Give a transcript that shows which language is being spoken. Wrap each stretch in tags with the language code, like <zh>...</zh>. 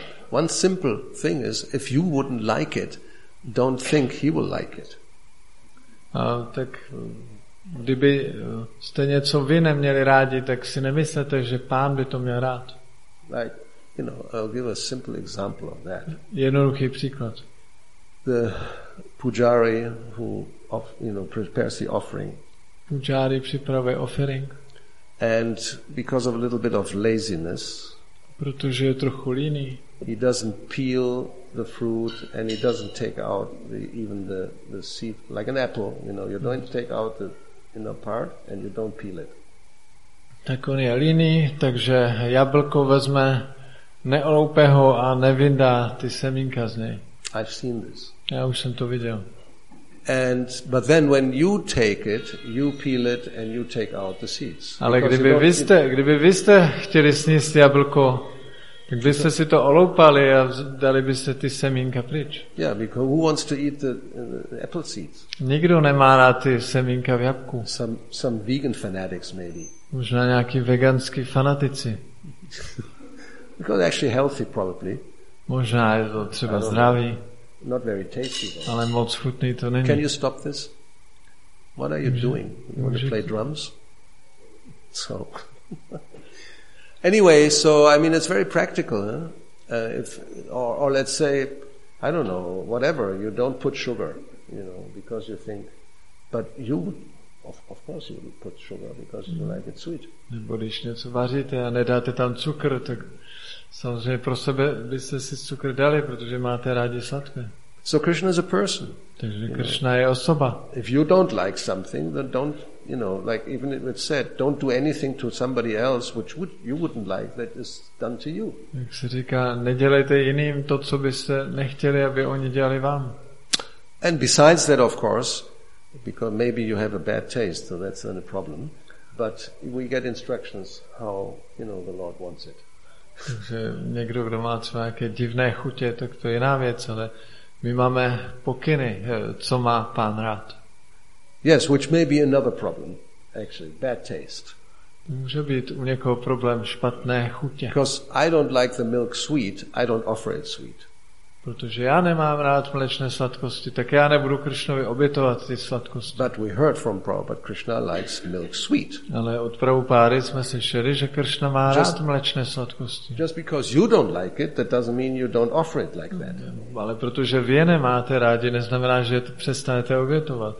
<en>One simple thing is, if you wouldn't like it, don't think he will like it.</en> <cs>Tak Kdybyste něco vy neměli rádi, tak si nemyslete, že Pán by to měl rád.</cs> <en>Like, you know, I'll give a simple example of that.</en> <cs>Jednoduchý příklad.</cs> <en>The pujari who of, you know, prepares the offering.</en> <cs>Pujari připravuje offering.</cs> <en>And because of a little bit of laziness,</en> <cs>protože je trochu líný,</cs> <en>he doesn't peel the fruit and he doesn't take out even the seed, like an apple, you know, you don't take out the inner part and you don't peel it.</en> <cs>Tak on je líný, takže jablko vezme, neoloupe ho a nevyndá ty semínka z něj.</cs> <en>I've seen this.</en> <cs>Já už jsem to viděl.</cs> <en>And but then when you take it, you peel it and you take out the seeds.</en> <cs>Ale kdyby vy jste chtěli sníst jablko, tak byste si to oloupali a dali byste ty semínka pryč.</cs> <en>Yeah, because who wants to eat the apple seeds?</en> <cs>Nikdo nemá rád ty semínka v jabku.</cs> <en>Some vegan fanatics maybe.</en> <cs>Možná nějaký veganský fanatici.</cs> <en>Because actually healthy probably.</en> <cs>Možná je to třeba zdravý.</cs> <en>Not very tasty.</en> <cs>Ale moc chutný to není.</cs> <en>Can you stop this? What are you doing? You want to play drums? So. Anyway, so I mean it's very practical, huh? if let's say, I don't know, whatever, you don't put sugar, you know, because you think, but you of course you put sugar because you like it sweet.</en> <cs>Nebo když něco vaříte a nedáte tam cukr, tak samozřejmě pro sebe byste si cukr dali, protože máte rádi sladké.</cs> <en>So Krishna is a person.</en> <cs>Takže Krishna je osoba.</cs> <en>If you don't like something, then don't, you know, like even if it's said, don't do anything to somebody else which would, you wouldn't like that is done to you.</en> <cs>Jak se říká, nedělejte jiným to, co byste nechtěli, aby oni dělali vám.</cs> <en>And besides that, of course, because maybe you have a bad taste, so that's not a problem, but we get instructions how, you know, the Lord wants it.</en> <cs>Takže někdo, kdo má třeba nějaké divné chutě, tak to je jiná věc, ale my máme pokyny, co má Pán rád.</cs> <en>Yes, which may be another problem, actually, bad taste.</en> <cs>Může být u někoho problém špatné chutě.</cs> <en>Because I don't like the milk sweet, I don't offer it sweet.</en> <cs>Protože já nemám rád mléčné sladkosti, tak já nebudu Krishnovi obětovat ty sladkosti.</cs> <en>But we heard from Prabhupada, Krishna likes milk sweet.</en> <cs>Ale od Prabhupády jsme slyšeli, že Krishna má rád mléčné sladkosti.</cs> <en>Just because you don't like it, that doesn't mean you don't offer it like that.</en> <cs>Ale protože vy je nemáte rádi, neznamená, že to přestanete obětovat.</cs>